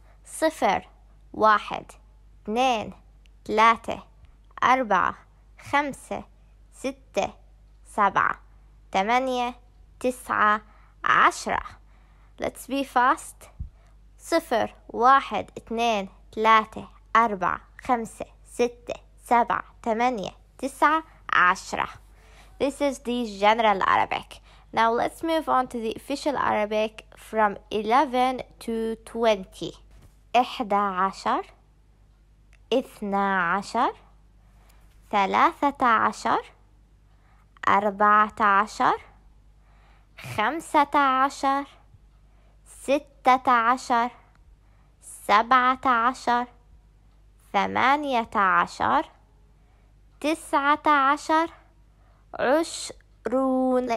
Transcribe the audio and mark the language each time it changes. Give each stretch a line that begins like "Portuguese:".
Arabic: صفر واحد اثنان ثلاثة أربعة خمسة ستة سبعة ثمانية تسعة عشرة.
English: Let's be fast.
Arabic: صفر واحد اثنان ثلاثة أربعة خمسة ستة سبعة ثمانية تسعة عشرة.
English: This is the general Arabic. Now let's move on to the official Arabic from 11 to 20.
Arabic: إحدى عشر إثنى عشر ثلاثة عشر أربعة عشر خمسة عشر ستة عشر سبعة عشر ثمانية عشر تسعة عشر عشرون.